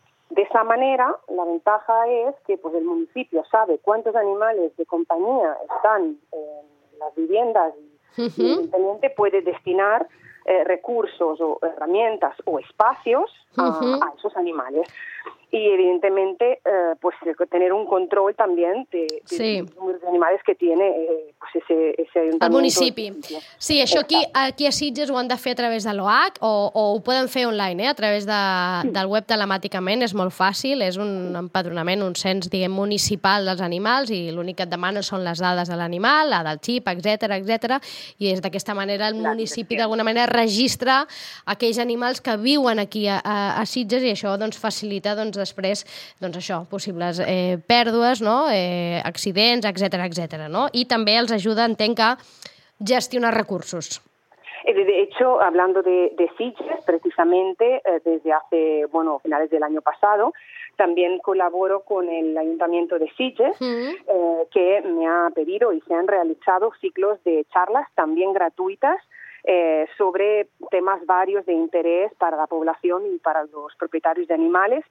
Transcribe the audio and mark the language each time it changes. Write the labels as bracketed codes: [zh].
[es] De esa manera, la ventaja es que pues el municipio sabe cuántos animales de compañía están en las viviendas y uh-huh. el teniente puede destinar recursos o herramientas o espacios uh-huh. a esos animales. Y evidentemente pues tener un control también de animales que tiene ese [ca] el municipi. Sí, això aquí a Sitges ho han de fer a través de l'OAC o ho poden fer online, a través del web telemàticament, és molt fàcil, és un empadronament, un cens, diguem, municipal dels animals, i l'únic que et demanen són les dades de l'animal, la del xip, etcètera, i és d'aquesta manera el municipi d'alguna manera registra aquells animals que viuen aquí a Sitges, i això doncs facilita després, doncs això, possibles pèrdues, no? Accidents, etcètera, no? I també els ajuda, entenc, a gestionar recursos. [es] De hecho, hablando de Sitges, precisamente desde hace, bueno, finales del año pasado, también colaboro con el Ayuntamiento de Sitges, uh-huh. Que me ha pedido y se han realizado ciclos de charlas también gratuitas sobre temas varios de interés para la población y para los propietarios de animales.